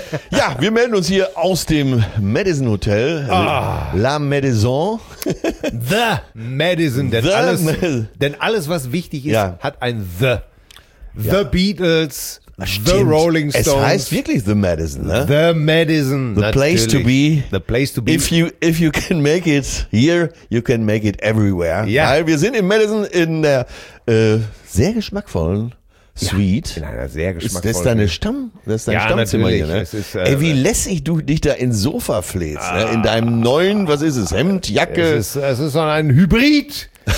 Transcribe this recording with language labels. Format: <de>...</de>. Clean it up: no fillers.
<de>Ja, wir melden uns hier aus dem Madison Hotel. La Madison. The Madison. Denn, denn alles, was wichtig ist, ja, hat ein The. The Beatles, the Rolling Stones. Es heißt wirklich The Madison, ne? The Madison,</de> <en>the place to be. The place to be. If you can make it here, you can make it everywhere.</en> <de>Ja. Weil wir sind in Madison in der sehr geschmackvollen Suite. Ja, in einer sehr geschmackvollen. Ist das deine Stamm? Das ist dein Stammzimmer hier, ne? Ist, ey, wie lässig du dich da ins Sofa flehst, ne? In deinem neuen, was ist es, Hemd, Jacke? Es ist so ein Hybrid.</de>